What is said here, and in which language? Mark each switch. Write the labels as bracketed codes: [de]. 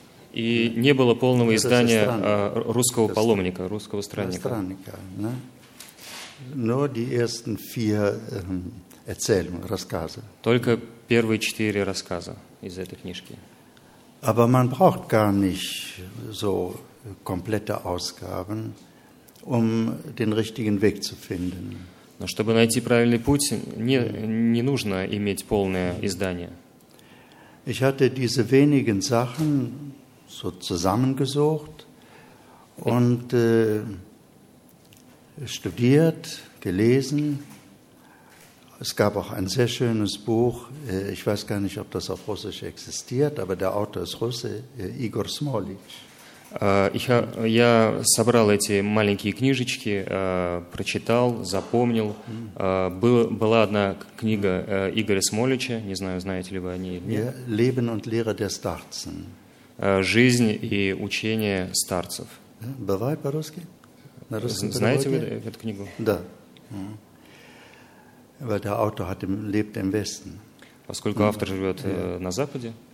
[ru] И не было полного издания русского паломника, русского странника. Странника, ne? [de] Nur die ersten vier Erzählungen, рассказы. [ru] Только первые четыре рассказа из этой книжки. [de] Aber man braucht gar nicht so komplette Ausgaben, um den richtigen Weg zu finden. [ru] Но чтобы найти правильный путь, не нужно иметь полное издание. [de] Ich hatte diese wenigen Sachen so zusammengesucht und studiert, gelesen. Es gab auch ein sehr schönes Buch, ich weiß gar nicht, ob das auf Russisch existiert, aber der Autor ist Russe, Igor Smolich. [ru] Я собрал эти маленькие книжечки, прочитал, запомнил. Была одна книга Игоря Смолича, не знаю, знаете ли вы о ней. [de] Leben und Lehre der Starzen. [ru] Жизнь и учение старцев. Бывает по-русски? Знаете вы эту книгу? Да. [de] Weil der Autor lebt im Westen. [ru] Поскольку автор живет на Западе.